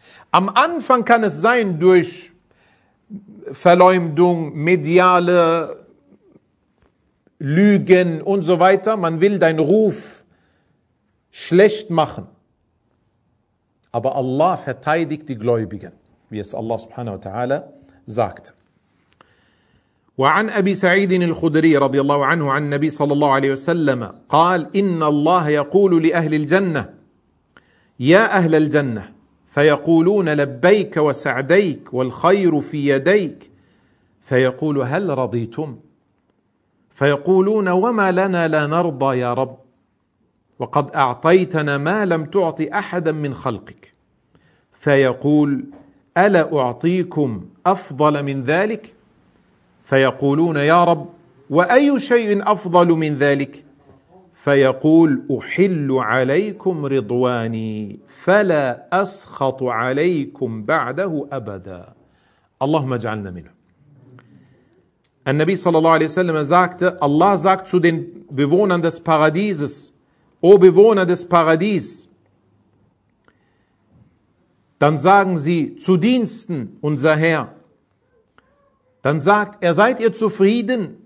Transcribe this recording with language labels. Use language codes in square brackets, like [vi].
[de] Am Anfang kann es sein, durch Verleumdung, mediale Lügen und so weiter, man will deinen Ruf schlecht machen. Aber Allah verteidigt die Gläubigen, wie es Allah subhanahu wa ta'ala sagt. [ar] وعن أبي سعيد الخدري رضي الله عنه عن النبي صلى الله عليه وسلم قال إن الله يقول لأهل الجنة يا أهل الجنة فيقولون لبيك وسعديك والخير في يديك فيقول هل رضيتم فيقولون وما لنا لا نرضى يا رب وقد أعطيتنا ما لم تعطي أحدا من خلقك فيقول ألا أعطيكم أفضل من ذلك فيقولون يا رب وأي شيء أفضل من ذلك فيقول أحل عليكم رضواني فلا أسخط عليكم بعده أبدا اللهم اجعلنا منه. النبي صلى الله عليه وسلم [de] sagte, Allah sagt zu den Bewohnern des Paradieses, O Bewohner des Paradies, dann sagen sie zu Diensten, unser Herr, dann sagt er, seid ihr zufrieden?